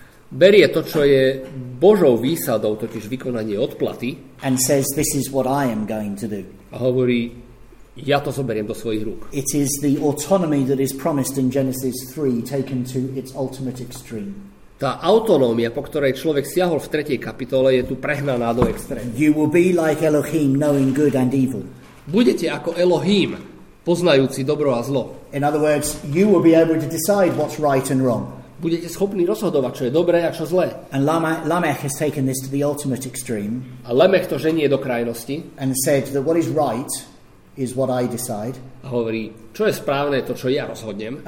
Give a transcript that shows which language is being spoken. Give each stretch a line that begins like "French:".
Slovak: Berie to, čo je Božou výsadou, totiž vykonanie odplaty.
English: And says, this is what I am going to do.
Slovak: A hovorí, ja to zoberiem do svojich rúk.
English: It is the autonomy that is promised in Genesis 3 taken to its ultimate extreme.
Slovak: Tá autonómia, po ktorej človek siahol v 3. kapitole, je tu prehnaná do extrému.
English: You will be like Elohim, knowing good and evil.
Slovak: Budete ako Elohim, poznajúci dobro a zlo.
English: In other words, you will be able to decide what's right and wrong.
Slovak: Budete schopní rozhodovať, čo je dobré a čo zlé.
English: And Lamech has taken this to the ultimate extreme.
Slovak: A Lamech to ženie do krajnosti.
English: And said that what is right is what I decide.
Slovak: A hovorí, čo je správne, to čo ja rozhodnem.